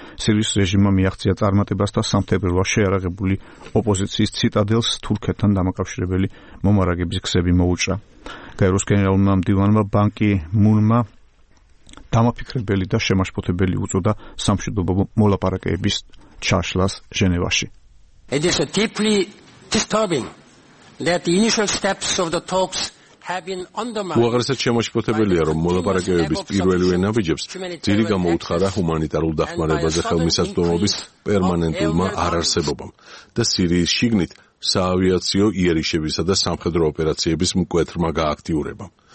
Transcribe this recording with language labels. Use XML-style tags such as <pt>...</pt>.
<ka>სირიის რეჟიმმა მიაღწია წარმატებას და სამთებრივა შეარაღებული ოპოზიციის ციტადელს თურქეთთან დამაკავშირებელი მომარაგების გზები მოუჭრა. გაეროს გენერალურმა მდივანმა ბან კი მუნმა დამაფიქრებელი და შემაშფოთებელი უწოდა სამშვიდობო მოლაპარაკების ჩაშლას ჟენევაში.</ka> <en>It is deeply disturbing that the initial steps of the talks have been undermined.</en> <ka>უაღრესად შემოშფოთებელია, რომ მოლაპარაკებების პირველივე ნაბიჯებს ძირი გამოუთხარა ჰუმანიტარულ დახმარებაზე ხელმისაწვდომობის პერმანენტულმა არარსებობამ და სირიის შიგნით საავიაციო იერიშებისა და სამხედრო ოპერაციების მკვეთრმა გააქტიურებამ.</ka>